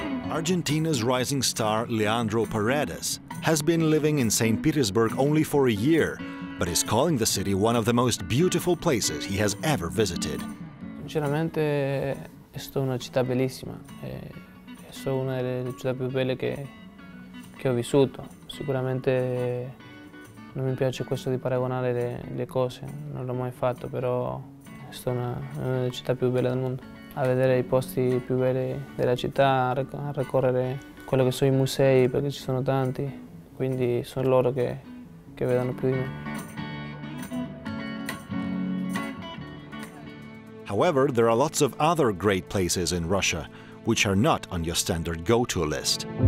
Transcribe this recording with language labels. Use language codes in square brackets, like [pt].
[en] Argentina's rising star Leandro Paredes has been living in St. Petersburg only for a year, but is calling the city one of the most beautiful places he has ever visited. [it] Sinceramente, esto è una città bellissima. È una delle città più belle che ho vissuto. Sicuramente non mi piace questo di paragonare le cose. Non l'ho mai fatto, però. Questa è una delle città più belle del mondo. A vedere i posti più belli della città, a ricorrere quello che sono i musei, perché ci sono tanti. Quindi sono loro che vedono più di me. [en] However, there are lots of other great places in Russia which are not on your standard go-to list.